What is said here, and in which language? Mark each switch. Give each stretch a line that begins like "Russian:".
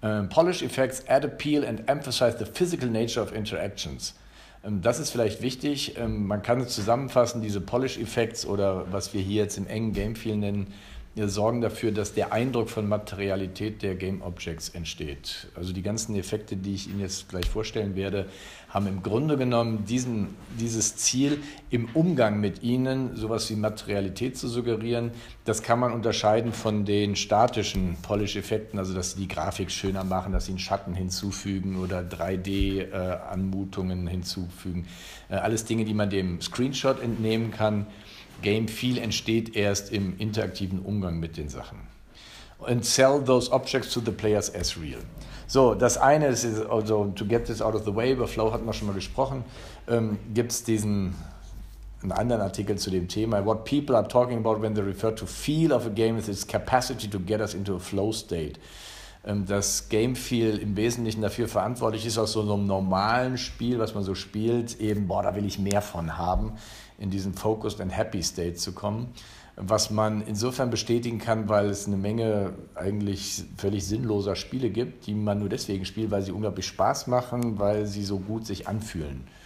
English: Polish effects add appeal and emphasize the physical nature of interactions.
German: Das ist vielleicht wichtig, man kann es zusammenfassen, diese Polish effects oder was wir hier jetzt im engen Game Feel nennen, sorgen dafür, dass der Eindruck von Materialität der Game Objects entsteht. Also die ganzen Effekte, die ich Ihnen jetzt gleich vorstellen werde, haben im Grunde genommen dieses Ziel, im Umgang mit ihnen sowas wie Materialität zu suggerieren. Das kann man unterscheiden von den statischen Polish-Effekten, also dass sie die Grafik schöner machen, dass sie einen Schatten hinzufügen oder 3D-Anmutungen hinzufügen. Alles Dinge, die man dem Screenshot entnehmen kann. Game Feel entsteht erst im interaktiven Umgang mit den Sachen.
English: And sell those objects to the players as real.
German: So, das eine ist, also
English: to get this out of the way,
German: über Flow hatten wir schon mal gesprochen, gibt es einen anderen Artikel zu dem Thema.
English: What people are talking about when they refer to feel of a game is its capacity to get us into a flow state.
German: Dass Game Feel im Wesentlichen dafür verantwortlich ist, aus so einem normalen Spiel, was man so spielt, eben, boah, da will ich mehr von haben, in diesen Focused and Happy State zu kommen. Was man insofern bestätigen kann, weil es eine Menge eigentlich völlig sinnloser Spiele gibt, die man nur deswegen spielt, weil sie unglaublich Spaß machen, weil sie so gut sich anfühlen.